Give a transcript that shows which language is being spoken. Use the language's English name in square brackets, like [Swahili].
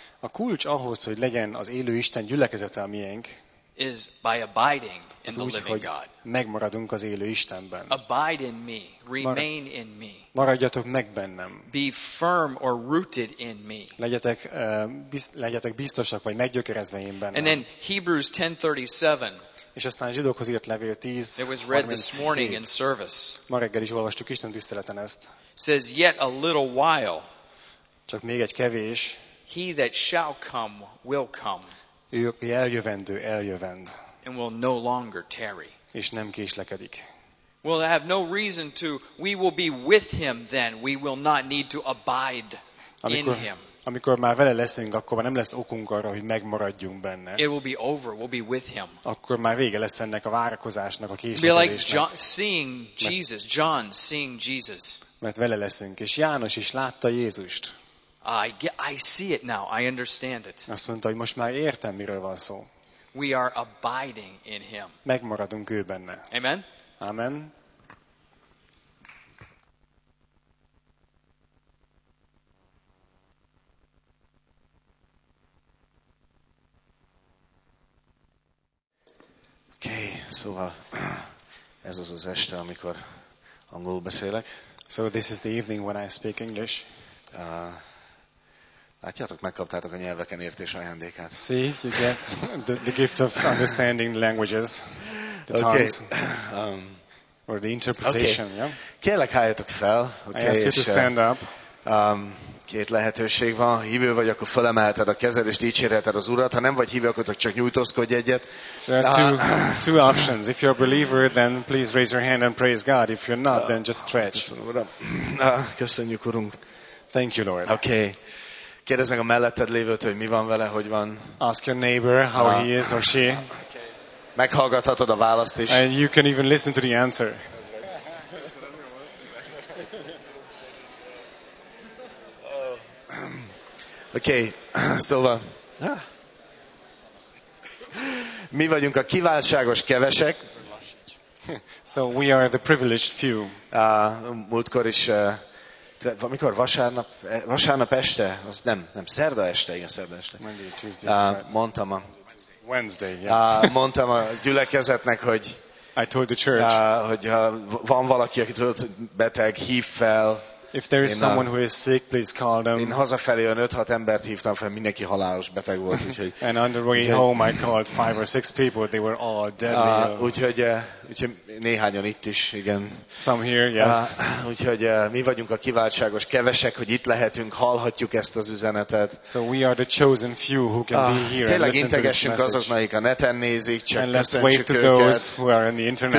[Hungarian] A kulcs ahhoz, hogy legyen az élő Isten gyülekezete a miénk, [English] is by abiding in the living God. [Hungarian] Megmaradunk az élő Istenben. [English] Abide in me, remain in me. [Hungarian] Maradjatok meg bennem. [English] Be firm or rooted in me. [Hungarian] Legyetek biztosak vagy meggyökerezve én bennem. [English] And then Hebrews 10:37. [Hungarian] És aztán a zsidókhoz írt levél 10:37. [English] It was read this morning in service. [Hungarian] Ma reggel is olvastuk Isten tiszteleten ezt. [English] Says yet a little while. [Hungarian] Csak még egy kevés. [English] He that shall come will come. [Hungarian] Ő, aki eljövendő, eljövend. [English] And will no longer tarry. [Hungarian] És nem késlekedik. [English] We'll have no reason to. We will be with him then. We will not need to abide in him. [Hungarian] Amikor már vele leszünk, akkor már nem lesz okunk arra, hogy megmaradjunk benne. [English] It will be over. We'll be with him. [Hungarian] Akkor már vége lesz ennek a várakozásnak, a késlekedésnek. [English] Be like John, seeing Jesus. John seeing Jesus. [Hungarian] Mert vele leszünk, és János is látta Jézust. [English] I see it now. I understand it. [Hungarian] Azt mondta, hogy most már értem, miről van szó. [English] We are abiding in him. [Hungarian] Megmaradunk ő benne. Amen. Amen. Okay, szóval ez az az este, amikor angolul beszélek. [English] So this is the evening when I speak English. [Hungarian] Látjátok, megkaptátok a nyelveken értés ajándékát. [English] See, you get the gift of understanding languages, the okay. tongues, or the interpretation. Okay. Yeah? [Hungarian] Kérlek, álljatok fel. Okay, [English] I ask you to stand up. [Hungarian] Két lehetőség van. Ha hívő vagy, akkor felemelheted a kezed, és dicsérheted az Urat. Ha nem vagy hívő, akkor csak nyújtózkodj egyet. [English] There are two options. If you're a believer, then please raise your hand and praise God. If you're not, then just stretch. [Hungarian] Köszönjük, Urunk. [English] Thank you, Lord. Okay. [Hungarian] Kérdezz meg a melletted lévőt, hogy mi van vele, hogy van. [English] Ask your neighbor how he is or she. [Hungarian] Meghallgathatod a választ is. [English] And you can even listen to the answer. [Hungarian] Okay, szóval. Mi vagyunk a kiváltságos kevesek. [English] So we are the privileged few. [Hungarian] Múltkor is, mikor vasárnap este, az nem szerda este, igen, szerda este. [English] Monday, Tuesday, [Hungarian] mondtam a [English] Wednesday, yeah. [Hungarian] Mondtam a gyülekezetnek, hogy [English] I told the church, [Hungarian] hogy ha van valaki, aki tudott beteg, hív fel. [English] If there is someone who is sick, please call them. [Hungarian] Én hazafelé 5-6 embert hívtam fel, mindenki halálos beteg volt, úgyhogy. [English] And on the way home I called 5 or 6 people, they were all deadly. [Hungarian] Úgyhogy néhányan itt is, igen. [English] Some here, yes. [Hungarian] Úgyhogy mi vagyunk a kiváltságos kevesek, hogy itt lehetünk, hallhatjuk ezt az üzenetet. [English] So we are the chosen few who can be here. [Hungarian] Tényleg integessünk azoknak, akik a neten nézik, csak [English] and let's wave to those who are on the internet.